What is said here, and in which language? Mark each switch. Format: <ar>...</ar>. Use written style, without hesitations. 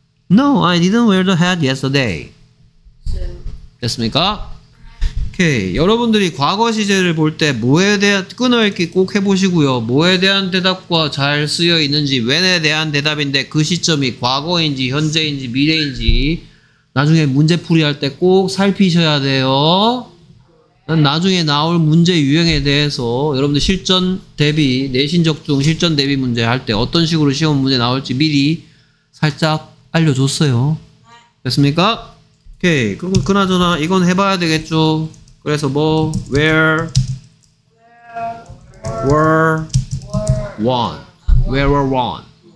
<en>No, I didn't wear the hat yesterday.</en> <ko>됐습니까?</ko> <en>OK.</en> <ko>오케이. 여러분들이 과거 시제를 볼 때 뭐에 대한 끊어읽기 꼭 해보시고요. 뭐에 대한 대답과 잘 쓰여 있는지, when에 대한 대답인데 그 시점이 과거인지 현재인지 미래인지 나중에 문제 풀이할 때 꼭 살피셔야 돼요. 나중에 나올 문제 유형에 대해서 여러분들 실전 대비, 내신 적중 실전 대비 문제 할 때 어떤 식으로 시험 문제 나올지 미리 살짝 알려줬어요. 됐습니까? 오케이. 그리고 그나저나 이건 해봐야 되겠죠. 그래서 뭐</ko> <en>where, were, one, where were one.</en>